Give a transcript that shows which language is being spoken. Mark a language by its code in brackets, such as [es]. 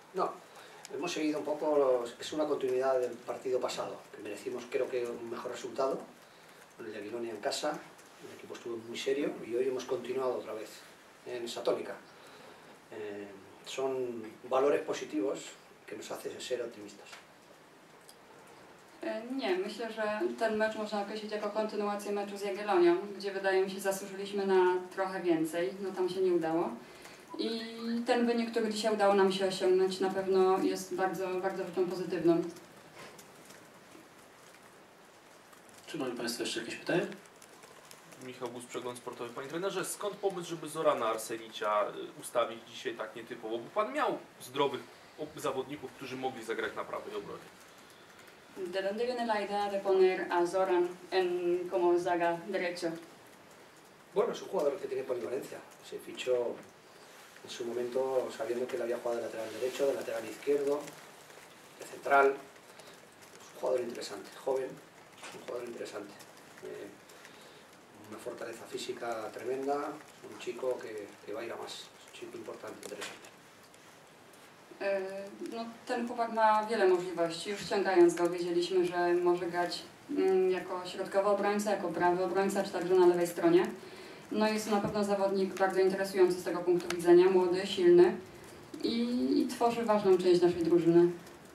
[es] No, hemos seguido un poco, es una continuidad del partido pasado, que merecimos creo que un mejor resultado, con el de Aquilonia en casa, el equipo estuvo muy serio y hoy hemos continuado otra vez en esa tónica. Son valores positivos que nos hacen ser optimistas. [pl] Nie, myślę, że ten mecz można określić jako kontynuację meczu z Jagiellonią, gdzie wydaje mi się zasłużyliśmy na trochę więcej, no tam się nie udało. I ten wynik, który dzisiaj udało nam się osiągnąć, na pewno jest bardzo, bardzo rzeczą pozytywną. Czy mają Państwo jeszcze jakieś pytania? Michał Gus, Przegląd Sportowy. Panie trenerze, skąd pomysł, żeby Zorana Arsenicia ustawić dzisiaj tak nietypowo? Bo pan miał zdrowych zawodników, którzy mogli zagrać na prawej obronie. [es] ¿De dónde viene la idea de poner a Zoran en como zaga derecho? Bueno, es un jugador que tiene polivalencia. Se fichó en su momento sabiendo que él había jugado de lateral derecho, de lateral izquierdo, de central. Es un jugador interesante, joven, un jugador interesante. Una fortaleza física tremenda, un chico que va a ir a más, es un chico importante, interesante. [pl] No, ten chłopak ma wiele możliwości. Już ściągając go, wiedzieliśmy, że może grać jako środkowy obrońca, jako prawy obrońca, czy także na lewej stronie. No jest to na pewno zawodnik bardzo interesujący z tego punktu widzenia, młody, silny i tworzy ważną część naszej drużyny.